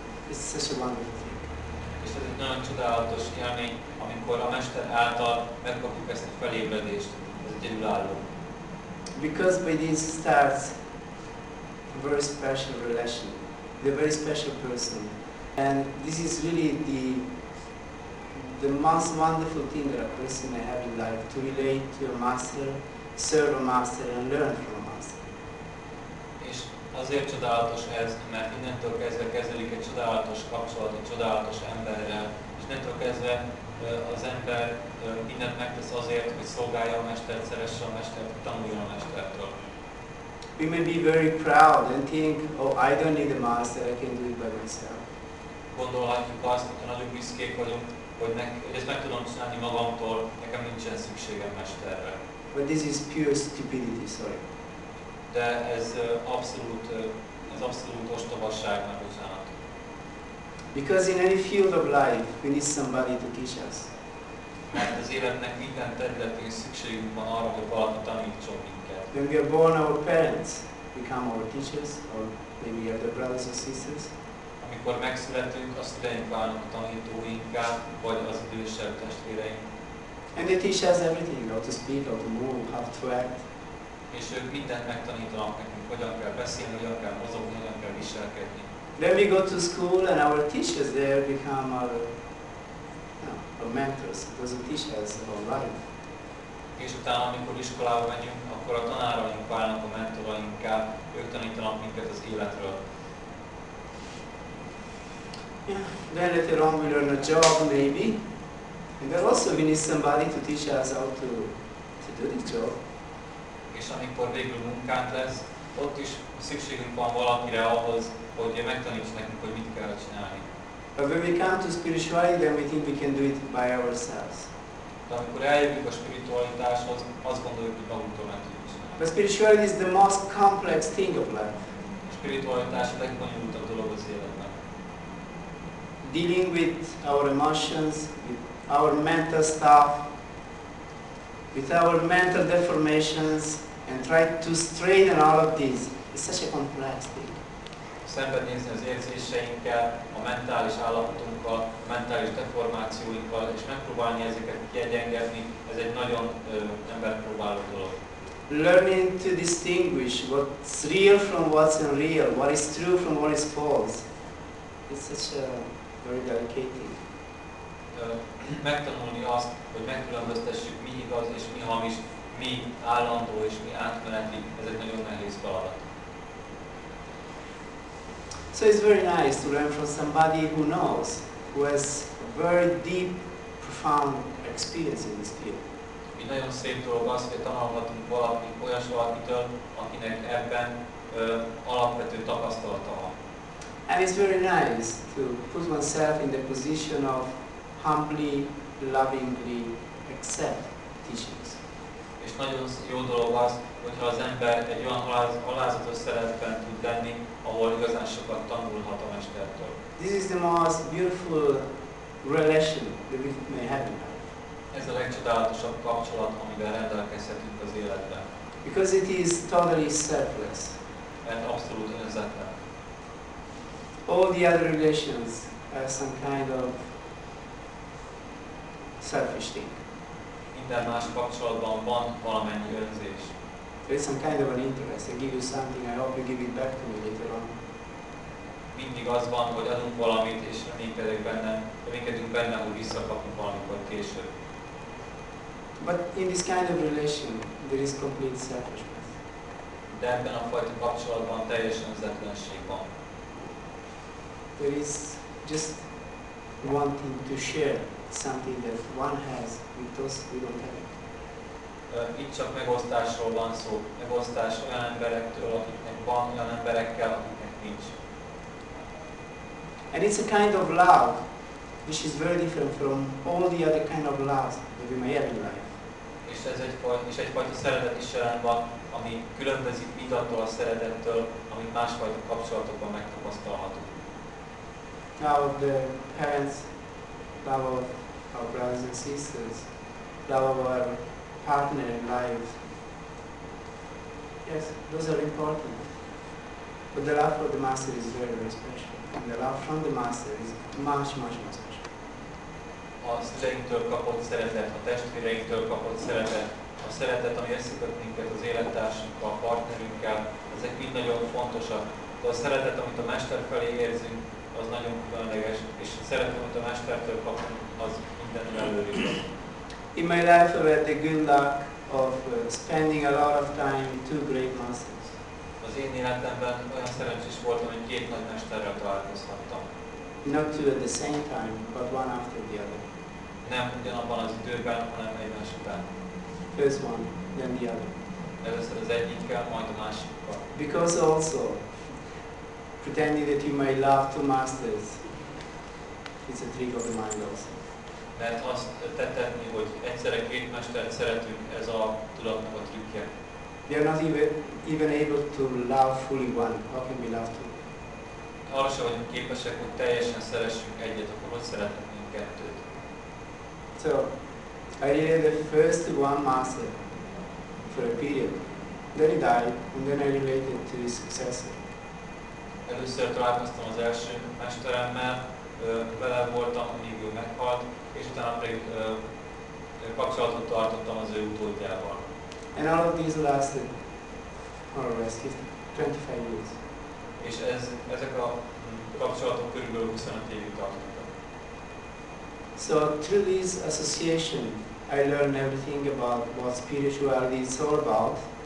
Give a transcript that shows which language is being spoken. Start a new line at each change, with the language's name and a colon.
English: It's such a wonderful thing.
Hungarian: És ez egy nagyon csodálatos élmény, amikor a mester által megkapjuk ezt a felébredést. Ez egyedülálló.
English: Because by this starts a very special relation, a very special person. And this is really the most wonderful thing that a person may have in life, to relate to a master, serve a master, and learn from a master.
Hungarian: És azért csodálatos ez, mert innentől kezdve kezelik egy csodálatos kapcsolat, egy csodálatos emberrel, és innentől kezdve az ember mindent megtesz azért, hogy szolgálja a mestert, szeresse a mestert, tanuljon a mestertől.
English: We may be very proud and think, oh, I don't need a master, I can do it by myself.
Hungarian: Gondolhatjuk azt, hogy nagyon büszkék vagyunk, hogy ezt meg tudom csinálni magamtól, nekem nincsen szükségem mesterre.
English: But this is pure stupidity, sorry.
Hungarian: De ez abszolút ostobasság, meg bocsánat.
English: Because in any field of life, we need somebody to teach us.
Hungarian: Mert az életnek minden területén szükségünk van arra, hogy valaki tanítson minket.
English: When we are born, our parents become our teachers, or maybe other brothers or sisters.
Hungarian: Amikor megszületünk, a szüleink válnak a tanítóinká, vagy az idősebb testvéreink.
English: And they teach us everything, how to speak, how to move, how to act.
Hungarian: És ők mindent megtanítanak nekünk, hogyan kell beszélni, hogyan kell mozogni, hogyan kell viselkedni.
English: Then we go to school and our teachers there become our mentors, those who teach us about life.
Hungarian: És utána, amikor iskolába megyünk, akkor a tanáraink válnak a mentorainká, ők tanítanak minket az életről.
English: Yeah. Then later on we learn a job maybe, and then also we need somebody to teach us how to do the job.
Hungarian: És amikor végül munkánk lesz, ott is szükségünk van valakire ahhoz, hogy megtaníts nekünk, hogy mit kell csinálni.
English: But when we come to spirituality, then we think we can do it by ourselves.
Hungarian: De amikor eljövünk a spiritualitáshoz, azt gondoljuk, hogy magunktól meg tudjuk csinálni.
English: But spirituality is the most complex thing of life.
Hungarian: A spiritualitás a legbonyolultabb dolog az életben.
English: Dealing with our emotions, with our mental stuff, with our mental deformations, and try to straighten all of this. It's such a complex thing.
Hungarian: Szembenézni az érzéseinkkel, a mentális állapotunkkal, a mentális deformációinkkal, és megpróbálni ezeket kiegyengedni, ez egy nagyon emberpróbáló dolog.
English: Learning to distinguish what's real from what's unreal, what is true from what is false. It's such a very delicate thing.
Hungarian: Megtanulni azt, hogy megkülönböztessük, mi igaz és mi hamis, mi állandó és mi átmeneti, ez egy nagyon nehéz feladat.
English: So it's very nice to learn from somebody who knows, who has very deep, profound experience in this field.
Hungarian: Mi nagyon szép dolog az, hogy tanulhatunk valaki, olyas valakitől, akinek ebben alapvető tapasztalata van.
English: And it's very nice to put oneself in the position of humbly, lovingly accept teachings.
Hungarian: És nagyon jó dolog az, hogyha az ember egy olyan alázatos szeretben tud lenni, ahol igazán sokat tanulhat a mestertől.
English: This is the most beautiful relation that we may have in life.
Hungarian: Ez a legcsodálatosabb kapcsolat, amivel rendelkezhetünk az életben.
English: Because it is totally selfless.
Hungarian: Mert abszolút önzetlen.
English: All the other relations are some kind of selfish thing.
Hungarian: Minden más kapcsolatban van valamennyi önzés.
English: There is some kind of an interest. I give you something, I hope you give it back to me later on.
Hungarian: Mindig az van, hogy adunk valamit, és reménykedünk benne, hogy visszakapunk valamikor később.
English: But in this kind of relation, there is complete selfishness.
Hungarian: De ebben a fajta kapcsolatban teljes önzetlenség van.
English: There is just wanting to share something that one has with those who don't have it.
Hungarian: Itt csak megosztásról van szó. Megosztás olyan emberektől, akiknek van, olyan emberekkel, akiknek nincs.
English: And it's a kind of love which is very different from all the other kind of loves that we may have in life.
Hungarian: És ez egyfajta szeretet is jelen van, ami különbözik mindattól a szeretettől, amit másfajta kapcsolatokban megtapasztalhatunk.
English: Now the parents, love of our brothers and sisters, love of our partner in life. Yes, those are important. But the love for the master is very, very special. And the love from the master is much, much, much special.
Hungarian: A szüleinktől kapott szeretet, a testvéreinktől kapott szeretet, a szeretet, ami összeköt minket az élettársunkkal, a partnerünkkel, ezek mind nagyon fontosak. De a szeretet, amit a mester felé érzünk, az nagyon különleges, és szeretem, hogy a mestertől kapunk, az mindenre előrébb.
English: In my life I've had the good luck of spending a lot of time with two great masters.
Hungarian: Az én életemben olyan szerencsés voltam, hogy két nagy mesterrel találkozhattam.
English: Not two at the same time, but one after the other.
Hungarian: Nem ugyanabban az időben, hanem egymás után.
English: First one, then the other.
Hungarian: Először az egyikkel, majd a másikkal.
English: Because also, pretending that you may love two masters, it's a trick of the mind also.
Hungarian: Mert azt tettetni, hogy egyszerre két mestert szeretünk, ez a tudatnak a trükkje.
English: They are not even able to love fully one. How can we love two?
Hungarian: Arra sem vagyunk képesek, hogy teljesen szeressünk egyet, akkor hogy szeretnénk kettőt?
English: So, I really the first one master for a period. Then he died, and then I related to his successor.
Hungarian: Először találkoztam az első mesteremmel, vele voltam, amíg ő meghalt, és utána pedig kapcsolatot tartottam az ő utódjával.
English: And all of these lasted, more or less, 25 years.
Hungarian: És ezek a kapcsolatok körülbelül 25 évig tartottak.
English: So through this association, I learned everything about what spirituality is all about.